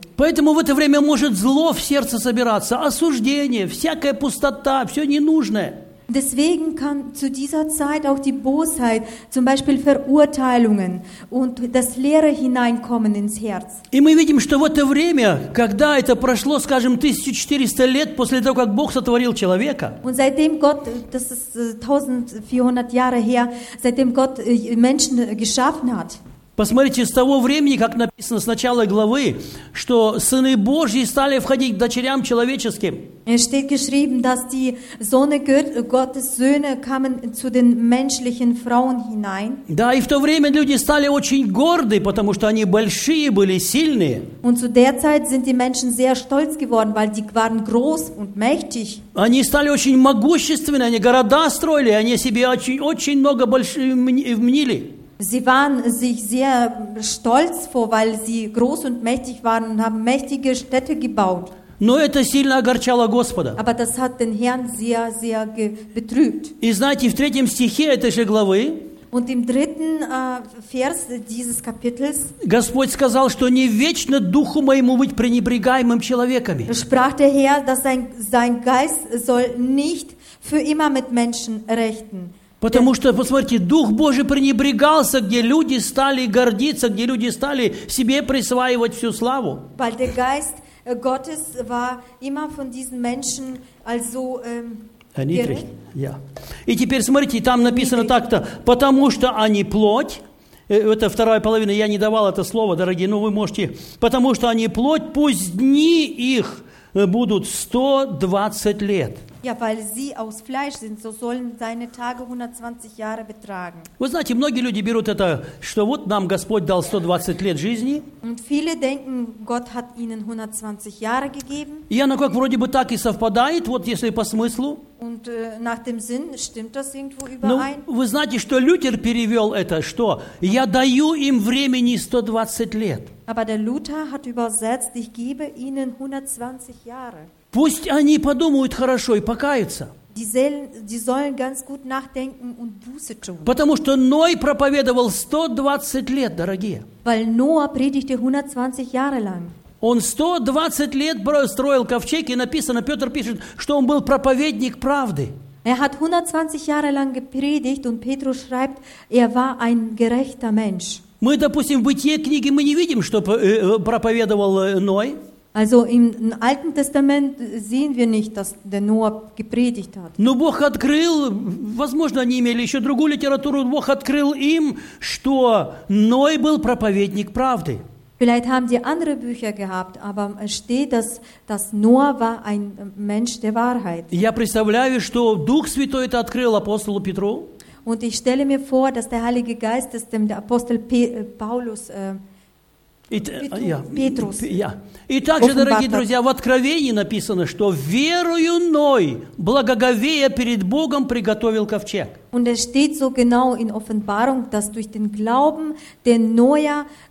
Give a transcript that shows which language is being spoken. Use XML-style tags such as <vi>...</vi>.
<ru>Поэтому в это время может зло в сердце собираться, осуждение, всякая пустота, все ненужное.</ru> <de>Deswegen kann zu dieser Zeit auch die Bosheit, zum Beispiel Verurteilungen und das Leere hineinkommen ins Herz.</de> <ru>И мы видим, что в это время, когда это прошло, скажем, 1400 лет после того, как Бог сотворил человека,</ru> <de>und seitdem Gott, das ist 1400 Jahre her, seitdem Gott Menschen geschaffen hat.</de> <ru>Посмотрите, с того времени, как написано с начала главы, что сыны Божьи стали входить к дочерям человеческим.</ru> <de>Steht geschrieben, dass die Söhne Gottes Söhne kamen zu den menschlichen Frauen hinein.</de> <ru>Да, и в то время люди стали очень горды, потому что они большие были, сильные.</ru> <de>Und zu der Zeit sind die Menschen sehr stolz geworden, weil die waren groß und mächtig.</de> <ru>Они стали очень могущественны, они города строили, они себе очень, очень много большие мнили.</ru> <de>Sie waren sich sehr stolz vor, weil sie groß und mächtig waren und haben mächtige Städte gebaut.</de> <ru>Но это сильно огорчало Господа.</ru> <de>Aber das hat den Herrn sehr, sehr betrübt.</de> <ru>И знаете, в третьем стихе этой же главы,</ru> <de>und im dritten Vers dieses Kapitels,</de> <ru>Господь сказал, что не вечно духу моему быть пренебрегаемым человеками.</ru> <de>Sprach der Herr, dass sein Geist soll nicht für immer mit Menschen rechten.</de> <ru>Потому что, посмотрите, Дух Божий пренебрегался, где люди стали гордиться, где люди стали себе присваивать всю славу.</ru> <de>Weil der Geist Gottes war immer von diesen Menschen also Erniedrigt. Ja.</de> <ru>И теперь смотрите, там написано так-то, потому что они плоть, это вторая половина, я не давал это слово, дорогие, но вы можете, потому что они плоть, пусть дни их будут 120 лет.</ru> <de>Ja, weil sie aus Fleisch sind, so sollen seine Tage 120 Jahre betragen.</de> <ru>Вы знаете, многие люди берут это, что вот нам Господь дал 120 лет жизни.</ru> <de>Und viele denken, Gott hat ihnen 120 Jahre gegeben.</de> <ru>И оно как вроде бы так и совпадает, вот если по смыслу.</ru> <de>Und nach dem Sinn stimmt das irgendwo überein.</de> <ru>Но вы знаете, что Лютер перевел это, что я даю им времени 120 лет.</ru> <de>Aber der Luther hat übersetzt, ich gebe ihnen 120 Jahre.</de> <ru>Пусть они подумают хорошо и покаются.</ru> <de>Die sollen ganz gut nachdenken und Buße tun.</de> <ru>Потому что Ной проповедовал 120 лет, дорогие.</ru> <de>Weil Noah predigte 120 Jahre lang.</de> <ru>Он 120 лет строил ковчег, и написано, Петр пишет, что он был проповедник правды.</ru> <de>Hat 120 Jahre lang gepredigt, und Petrus schreibt, war ein gerechter Mensch.</de> <ru>Мы, допустим, в Бытие книги мы не видим, что проповедовал Ной.</ru> <de>Also im Alten Testament sehen wir nicht, dass der Noah gepredigt hat.</de> <ru>Но Бог открыл, возможно, они имели еще другую литературу, Бог открыл им, что Ной был проповедник правды.</ru> <de>Vielleicht haben die andere Bücher gehabt, aber es steht, dass Noah war ein Mensch der Wahrheit.</de> <ru>Я представляю, что Дух Святой это открыл апостолу Петру.</ru> <de>Und ich stelle mir vor, dass der Heilige Geist es dem Apostel Paulus Петрус.</de> <ru>И также, дорогие друзья, в Откровении написано, что верою Ной благоговея перед Богом приготовил ковчег.</ru> <de>Und es steht so genau in Offenbarung, dass durch den Glauben der Noah</de>